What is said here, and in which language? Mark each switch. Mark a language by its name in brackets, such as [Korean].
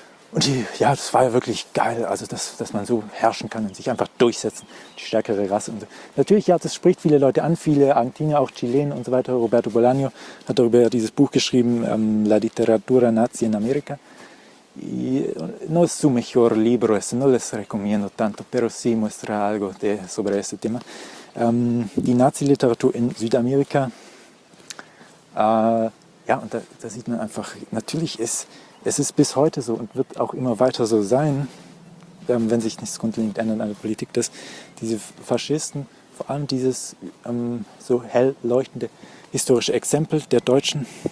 [German] Und die, ja, das war ja wirklich geil, also dass man so herrschen kann und sich einfach durchsetzen, die stärkere Rasse und so. Natürlich, ja, das spricht viele Leute an, viele Argentinier, auch Chilen und so weiter. Roberto Bolaño hat darüber ja dieses Buch geschrieben, La Literatura Nazi in America. [Spanish] No es su mejor libro, no les recomiendo tanto, pero sí muestra algo de sobre este tema. [German] Die Nazi-Literatur in Südamerika, ja, und da sieht man einfach, natürlich ist... Es ist bis heute so und wird auch immer weiter so sein, wenn sich nichts grundlegend ändert an der Politik, dass diese Faschisten, vor allem dieses so hell leuchtende historische Exempel der Deutschen